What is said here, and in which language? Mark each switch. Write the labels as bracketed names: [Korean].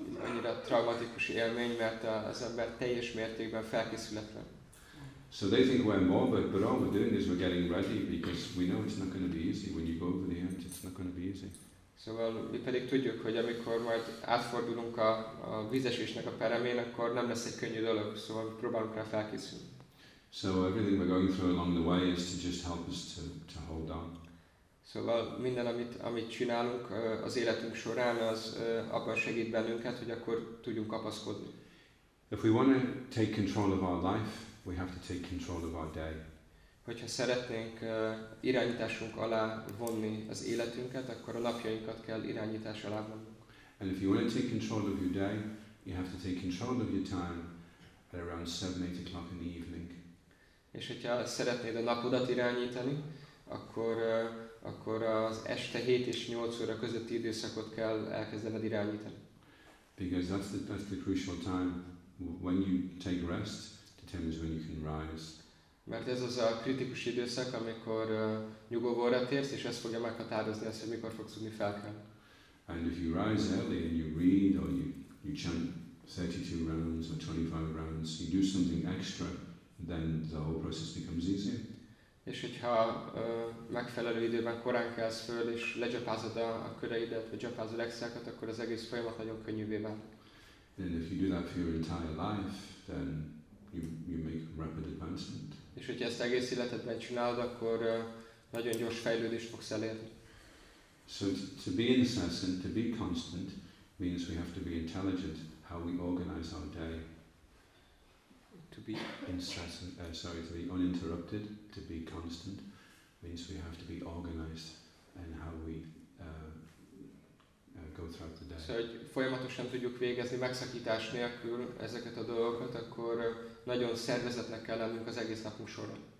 [Hungarian] Annyira traumatikus élmény, mert az ember teljes mértékben felkészületlen. [English] So they think we're morbid, but all we're doing is we're getting ready, because we know it's not going to be easy. When you go over the edge, it's not going to be easy. [Hungarian] Szóval mi pedig tudjuk, hogy amikor majd átfordulunk a vízesésnek a peremén, akkor nem lesz egy könnyű dolog, szóval próbálunk rá felkészülni. [English] So everything we're going through along the way is to just help us to hold on. [Hungarian] Szóval minden, amit csinálunk az életünk során, az abban segít bennünket, hogy akkor tudjunk kapaszkodni. [English] If we want to take control of our life, we have to take control of our day. [Hungarian] Hogyha szeretnénk irányításunk alá vonni az életünket, akkor a napjainkat kell irányítás alá vonnunk. [English] And if you want to take control of your day, you have to take control of your time at around 7-8 o'clock in the evening. [Hungarian] És hogyha szeretnéd a napodat irányítani, akkor az este 7 és 8 óra közötti időszakot kell elkezdened irányítani. [English] Because that's the crucial time when you take rest determines when you can rise. [Hungarian] Mert ez az a kritikus időszak, amikor nyugovóra térsz, és ez fogja meghatározni azt, hogy mikor fogsz tudni felkelni. [English] And if you rise early and you read or you chant 32 rounds or 25 rounds, you do something extra, then the whole process becomes easier. [Hungarian] És hogyha megfelelő időben korán kelsz föl, és lecsapázod a köreidet, vagy csapázod extrákat, akkor az egész folyamat nagyon könnyűvé válik. [English] And if you do that for your entire life, then you make rapid advancement. [Hungarian] És hogyha ezt egész életedben csinálod, akkor nagyon gyors fejlődést fogsz elérni. [English] So to be incessant, to be constant, means we have to be intelligent how we organize our day. To be incessant, to be uninterrupted, to be constant, means we have to be organized in how we go throughout the day. [Hungarian] Szóval, hogy folyamatosan tudjuk végezni megszakítás nélkül ezeket a dolgokat, akkor nagyon szervezetnek kell lennünk az egész napunk során.